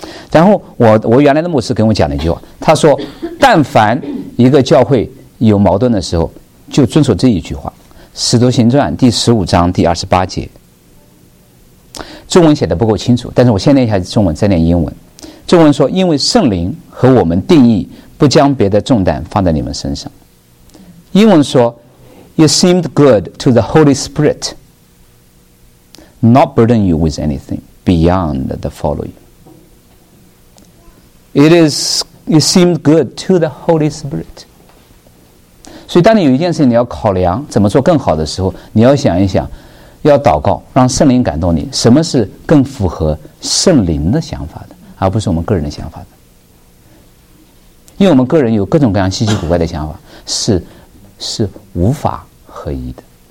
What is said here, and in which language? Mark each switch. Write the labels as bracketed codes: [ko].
[zh] 然后我原来的牧师跟我讲了一句话，他说，但凡一个教会有矛盾的时候，就遵守这一句话，使徒行传第15章第28节，中文写的不够清楚，但是我先念一下中文，再念英文。中文说，因为圣灵和我们定义不将别的重担放在你们身上。 [en] 英文说， It seemed good to the Holy Spirit not burden you with anything beyond the following. It seemed good to the Holy Spirit. [zh] 所以当你有一件事情你要考量怎么做更好的时候，你要想一想，要祷告让圣灵感动你，什么是更符合圣灵的想法的，而不是我们个人的想法的。因为我们个人有各种各样稀奇古怪的想法，是无法合一的。